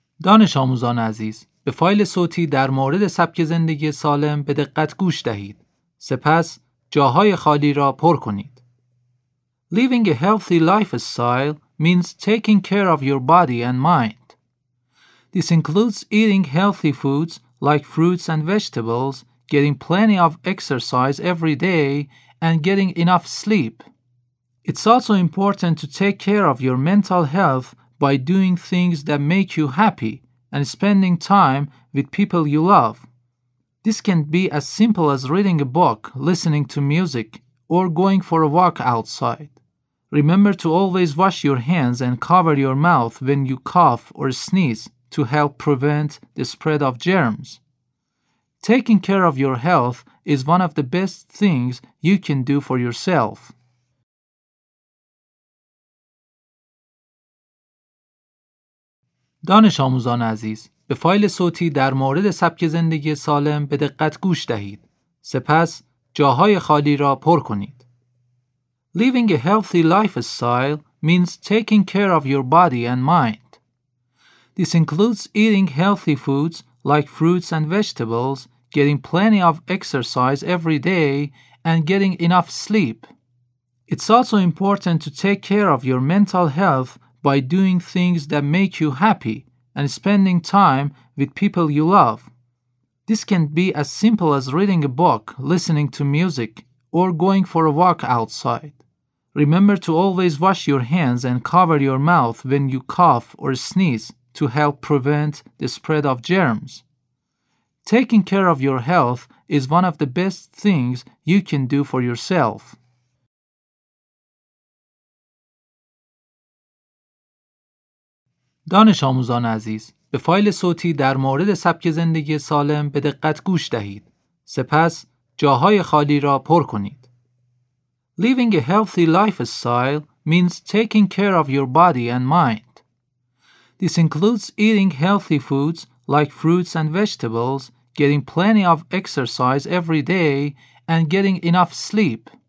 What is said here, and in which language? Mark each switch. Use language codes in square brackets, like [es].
[fa] دانش آموزان عزیز، به فایل صوتی در مورد سبک زندگی سالم به دقت گوش دهید. سپس جاهای خالی را پر کنید. [en] Living a healthy lifestyle means taking care of your body and mind. This includes eating healthy foods like fruits and vegetables, getting plenty of exercise every day, and getting enough sleep. It's also important to take care of your mental health by doing things that make you happy and spending time with people you love. This can be as simple as reading a book, listening to music, or going for a walk outside. Remember to always wash your hands and cover your mouth when you cough or sneeze to help prevent the spread of germs. Taking care of your health is one of the best things you can do for yourself. [fa] دانش آموزان عزیز، به فایل صوتی در مورد سبک زندگی سالم به دقت گوش دهید. سپس جاهای خالی را پر کنید. [en] Living a healthy lifestyle means taking care of your body and mind. This includes eating healthy foods like fruits and vegetables, getting plenty of exercise every day, and getting enough sleep. It's also important to take care of your mental health by doing things that make you happy and spending time with people you love. This can be as simple as reading a book, listening to music, or going for a walk outside. Remember to always wash your hands and cover your mouth when you cough or sneeze to help prevent the spread of germs. Taking care of your health is one of the best things you can do for yourself. [fa] دانش آموزان عزیز، به فایل صوتی در مورد سبک زندگی سالم به دقت گوش دهید. سپس جاهای خالی را پر کنید. [en] Living a healthy lifestyle means taking care of your body and mind. This includes eating healthy foods like fruits and vegetables, getting plenty of exercise every day, and getting enough sleep.